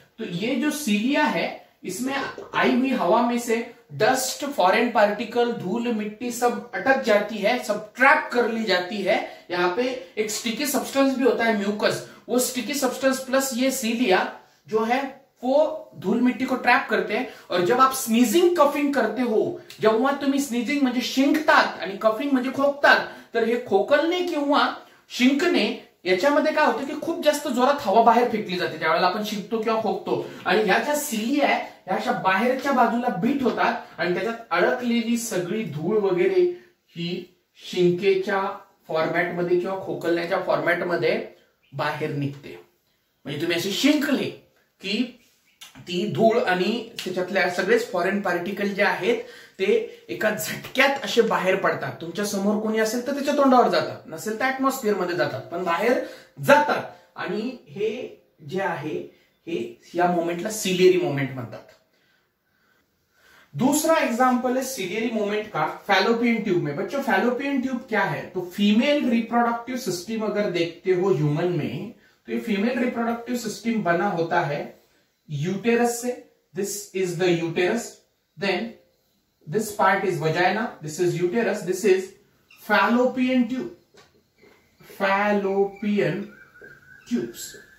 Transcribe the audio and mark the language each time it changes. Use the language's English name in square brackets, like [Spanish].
[Hindi] तो ये जो सीलिया है इसमें आई हुई हवा में से डस्ट, फॉरेन पार्टिकल, धूल मिट्टी सब अटक जाती है, सब ट्रैप कर ली जाती है। यहाँ पे एक स्टिकी सब्सटेंस भी होता है म्यूकस, वो स्टिकी सब्सटेंस प्लस ये सीलिया जो है वो धूल मिट्टी को ट्रैप करते हैं। और जब आप स्नीजिंग कफिंग करते हो, [Marathi] जब हुआ तुम्ही स्नीजिंग म्हणजे शिंकतात आणि कफिंग म्हणजे खोकतात, तर हे खोकलने किंवा शिंकने याच्यामध्ये काय होतं की खूप जास्त जोरात हवा बाहेर फेकली जाते ज्या वेळेला आपण शिंकतो किंवा खोकतो, आणि ह्या ज्या सिली आहे ह्या अशा बाहेरच्या बाजूला बीट होतात आणि त्याच्यात अडकलेली सगळी धूळ वगैरे ही शिंकेच्या फॉर्मॅटमध्ये किंवा खोकलण्याच्या फॉर्मॅटमध्ये बाहेर निघते। म्हणजे तुम्ही अशी शिंकली की ती धूळ आणि त्याच्यातल्या सगळेच फॉरेन पार्टिकल जे आहेत ते एका झटक्यात असे बाहेर पडतात, तुमच्या समोर कोणी असेल तर त्याच्या तोंडावर जातात, नसेल तर ऍटमॉस्फिअर मध्ये जातात, पण बाहेर जातात। आणि हे जे आहे हे या मोमेंटला सिलियरी मोमेंट म्हणतात। [Hindi] दूसरा एक्झाम्पल [Marathi] आहे [Hindi] सिलियरी मोमेंट का फॅलोपियन ट्यूब में। बच्चों फॅलोपियन ट्यूब क्या है, तो फीमेल रिप्रोडक्टिव सिस्टम अगर देखते हो ह्यूमन में, तो ये फीमेल रिप्रोडक्टिव सिस्टम बना होता है यूटेरस से, [English] this is the uterus, then this part is vagina, this is uterus, this is fallopian tube, [Hindi] fallopian tubes.